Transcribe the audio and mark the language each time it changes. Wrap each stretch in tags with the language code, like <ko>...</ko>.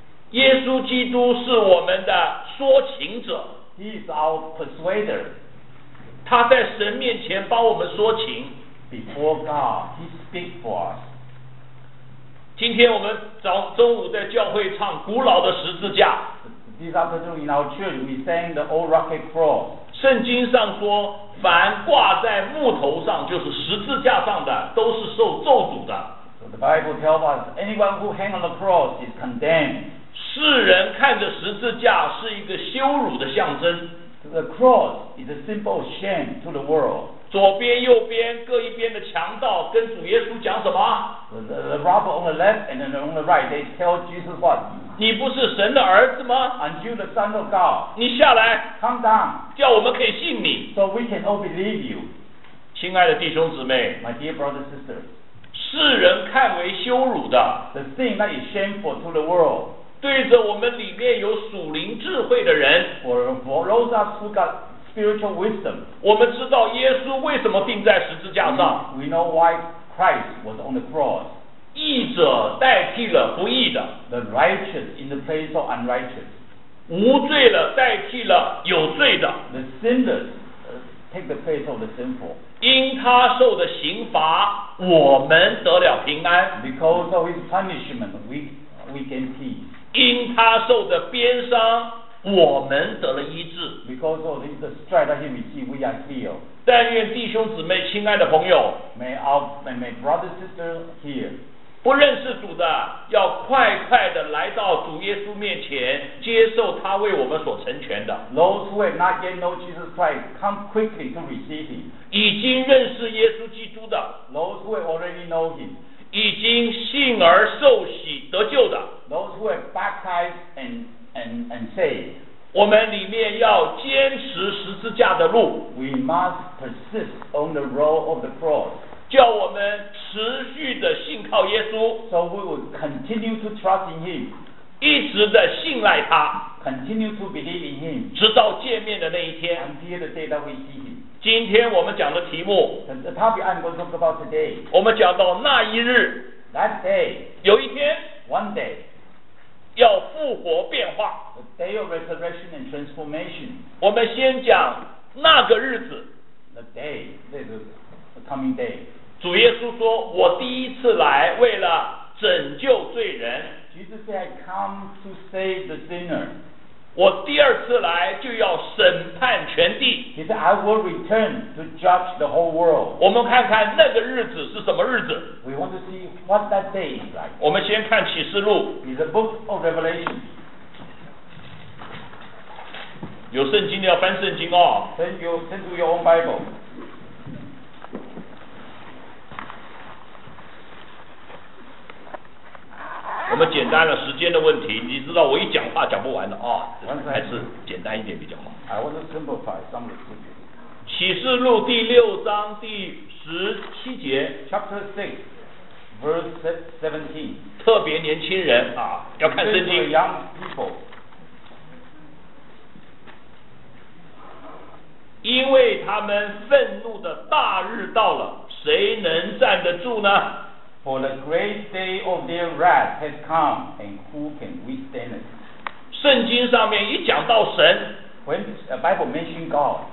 <zh>耶稣基督是我们的说情者。</zh> <en>He is our persuader.</en> <zh>他在神面前帮我们说情。</zh> <en>Before God, he speaks for us.</en> <zh>今天我们早中午在教会唱古老的十字架。</zh> <en>This afternoon in our church, we sang the old rocket cross.</en> <zh>圣经上说凡挂在木头上就是十字架上的都是受咒诅的</zh> <en>So the Bible tells us anyone who hangs on the cross is condemned</en> <zh>世人看着十字架是一个羞辱的象征</zh> <en>The cross is a symbol of shame to the world</en> <zh>左边右边各一边的强盗跟主耶稣讲什么</zh> <en>The robber on the left and then on the right they tell Jesus what</en> <zh>你不是神的儿子吗</zh> <en>Aren't you the son of God</en> <zh>你下来</zh> <en>Come down</en> <zh>叫我们可以信你</zh> <en>So we can all believe you.</en> <zh>亲爱的弟兄姊妹</zh> <en>My dear brothers and sisters.</en> <zh>世人看为羞辱的</zh> <en>The thing that is shameful to the world.</en> <zh>对着我们里面有属灵智慧的人</zh> <en>For those of us who got spiritual wisdom.</en> <zh>我们知道耶稣为什么钉在十字架上</zh> <en>We know why Christ was on the cross.</en> <zh>义者代替了不义的</zh> <en>The righteous in the place of unrighteous.</en> <zh>无罪了代替了有罪的</zh> <en>The sinners. Take the place of the sinful.</en> <zh>因他受的刑罚，我们得了平安。</zh> <en>Because of his punishment, we gain peace.</en> <zh>因他受的鞭伤，我们得了医治。</zh> <en>Because of the stripes that he received, we are healed.</en> <zh>但愿弟兄姊妹、亲爱的朋友</zh> <en>，May brothers and sisters here.</en> <zh>不认识主的，要快快的来到主耶稣面前。接受他为我们所成全的</zh> <en>Those who have not yet known Jesus Christ come quickly to receive him</en> <zh>已经认识耶稣基督的</zh> <en>Those who have already know him</en> <zh>已经信而受洗得救的</zh> <en>Those who have baptized and saved</en> <zh>我们里面要坚持十字架的路</zh> <en>We must persist on the road of the cross</en> <zh>叫我们持续的信靠耶稣</zh> <en>So we will continue to trust in him</en> <zh>一直的信赖他</zh> <en>Continue to believe in him</en> <zh>直到见面的那一天</zh> <en>Until the day that we see him</en> <zh>今天我们讲的题目</zh> <en>The topic I'm going to talk about today</en> <zh>我们讲到那一日</zh> <en>That day</en> <zh>有一天</zh> <en>One day</en> <zh>要复活变化</zh> <en>The day of resurrection and transformation</en> <zh>我们先讲那个日子</zh> <en>the day, this is the coming day.</en> <zh>主耶稣说，我第一次来为了拯救罪人。</zh> <en>Jesus said, I come to save the sinner.</en> <zh>我第二次来就要审判全地。</zh> <en>He said, I will return to judge the whole world.</en> <zh>我们看看那个日子是什么日子。</zh> <en>We want to see what that day is like.</en> <zh>我们先看启示录。</zh> <en>It's the book of Revelation.</en> <zh>有圣经的要翻圣经哦。</zh> <en>Turn to your own Bible.</en> <zh>我们简单的时间的问题，你知道我一讲话讲不完的啊、哦，还是简单一点比较好。</zh> <en>I want to simplify some of the things.</en> <zh>启示录第六章第十七节。</zh> <en>Chapter 6, verse 17.</en> <zh>特别年轻人啊，要看圣经。</zh> <en>For young people.</en> <zh>因为他们愤怒的大日到了，谁能站得住呢？</zh> <en>For the great day of their wrath has come, and who can withstand it?</en> <zh>圣经上面一讲到神，</zh> <en>When the Bible mentions God,</en>